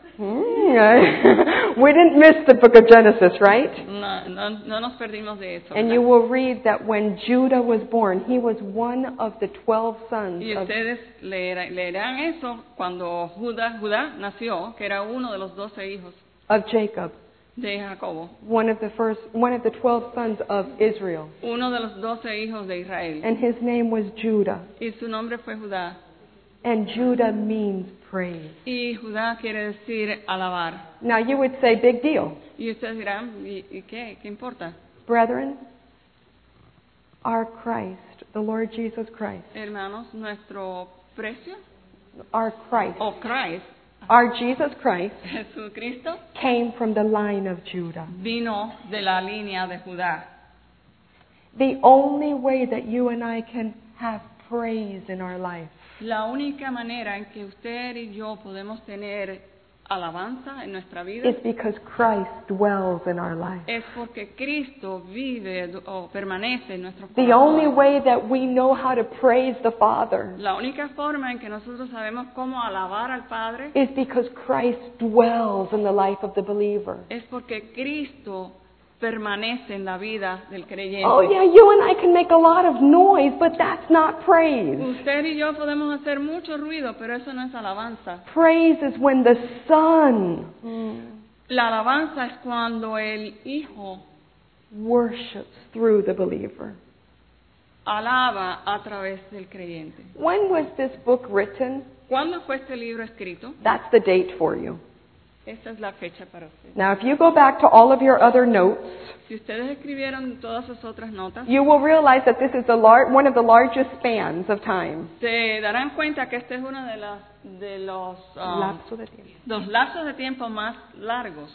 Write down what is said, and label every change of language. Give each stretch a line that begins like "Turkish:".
English: We didn't miss the book of Genesis, right?
Spanish: No, nos perdimos de eso.
English: And you will read that when Judah was born, he was one of the 12 sons.
Spanish: Y ustedes leerán eso cuando Judá nació, que era uno de los 12 hijos
English: of Jacob.
Spanish: De Jacobo.
English: One of the 12 sons of Israel.
Spanish: Uno de los 12 hijos de Israel.
English: And his name was Judah.
Spanish: Y su nombre fue Judá.
English: And Judah means praise.
Spanish: Y Judá quiere decir alabar.
English: Now you would say big deal.
Spanish: Y ustedes dirán, ¿y qué importa?
English: Brethren, our Christ, the Lord Jesus Christ.
Spanish: Hermanos, nuestro precio.
English: Our Christ. Oh, Christ. Our Jesus Christ
Spanish: Jesucristo
English: came from the line of Judah.
Spanish: Vino de la línea de Judá.
English: The only way that you and I can have praise in our life.
Spanish: La única manera en que usted y yo podemos tener alabanza en nuestra vida
English: is because Christ dwells in our life.
Spanish: Es porque Cristo vive o permanece en nuestro corazón.
English: The only way that we know how to praise the Father.
Spanish: La única forma en que nosotros sabemos cómo alabar al Padre
English: is because Christ dwells in the life of the believer.
Spanish: Es porque Cristo permanece en la vida del creyente.
English: Oh yeah, you and I can make a lot of noise, but that's not praise.
Spanish: Usted y yo podemos hacer mucho ruido, pero eso no es alabanza.
English: Praise is when the Son.
Spanish: La alabanza es cuando el Hijo
English: worships through the believer.
Spanish: Alaba a través del creyente.
English: When was this book written?
Spanish: ¿Cuándo fue este libro escrito?
English: That's the date for you.
Spanish: Esa es la fecha para usted.
English: Now, if you go back to all of your other notes,
Spanish: si ustedes escribieron todas sus otras notas,
English: you will realize that this is one of the largest spans of time.
Spanish: Se darán cuenta que este es uno de los lapsos de tiempo más largos.